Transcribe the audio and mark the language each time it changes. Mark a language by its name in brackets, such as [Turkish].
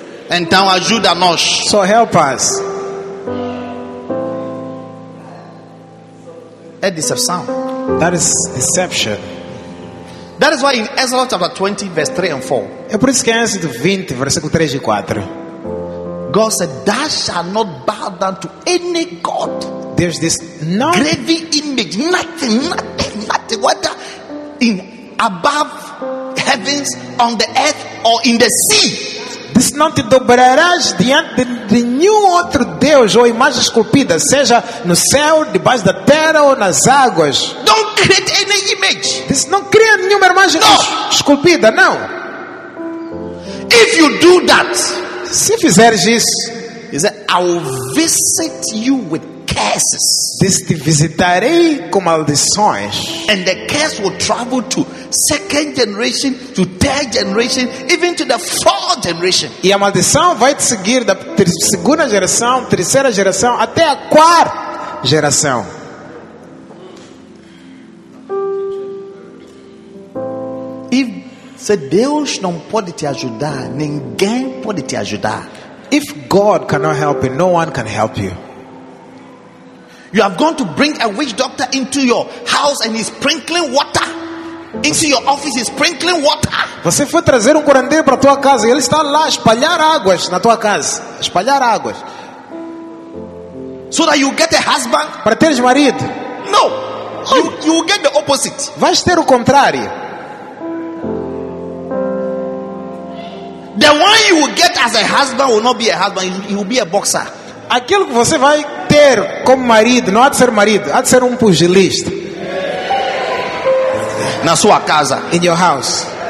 [Portuguese] Então ajuda-nos. [English] So help us. [Portuguese] É deceção. [English] That is deception. That is why in Ezra chapter 20 verse 3 and 4. [Portuguese] É por isso que em Ezra 20 versículo 3 e 4. [English] God said, "Thou shalt not bow down to any god." There's this no graven image, nothing, whether in above heavens, on the earth, or in the sea. [Portuguese] Diz, não te dobrarás diante de nenhum outro deus ou imagem esculpida, seja no céu, debaixo da terra ou nas águas. [English] Don't create any image. [Portuguese] Diz, não cria nenhuma imagem esculpida, não. [English] If you do that, [Portuguese] se fizeres isso, diz, [English] I will visit you with curses. [Portuguese] Diz, te visitarei com maldições. [English] And the curse will travel to second generation, to third generation, even to the fourth generation. [Portuguese] E a maldição vai te seguir da segunda geração, terceira geração, até a quarta geração. E se Deus não pode te ajudar, ninguém pode te ajudar. [English] If God cannot help you, no one can help you. You have gone to bring a witch doctor into your house and he's sprinkling water. Into your office, he's sprinkling water. [Portuguese] Você foi trazer curandeiro para tua casa e ele está lá a espalhar águas na tua casa. Espalhar águas. [English] So that you get a husband? [Portuguese] Para teres marido? [English] No. You will get the opposite. [Portuguese] Vais ter o contrário. [English] The one you will get as a husband will not be a husband, he will be a boxer. [Portuguese] Aquilo que você vai ter como marido, não há de ser marido, há de ser pugilista. Na sua casa. [English] In your house.